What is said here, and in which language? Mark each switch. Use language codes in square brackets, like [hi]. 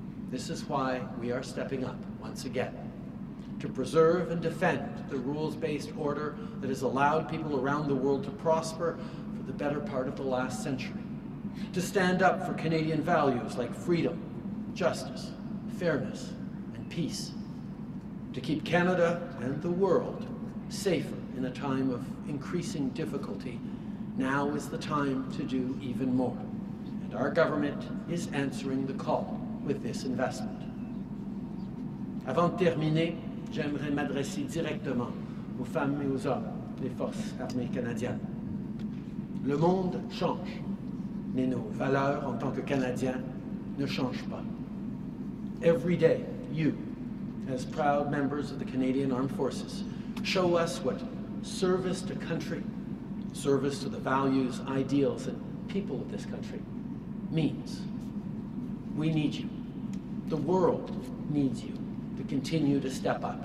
[en] This is why we are stepping up once again, to preserve and defend the rules-based order that has allowed people around the world to prosper for the better part of the last century, to stand up for Canadian values like freedom, justice, fairness, and peace, to keep Canada and the world safer in a time of increasing difficulty. Now is the time to do even more, and our government is answering the call with this investment. [fr] Avant de terminer, j'aimerais m'adresser directement aux femmes et aux hommes des forces armées canadiennes. Le monde change, mais nos valeurs en tant que Canadiens ne changent pas. [en] Every day, you, as proud members of the Canadian Armed Forces, show us what service to country, service to the values, ideals, and people of this country means. We need you. The world needs you to continue to step up.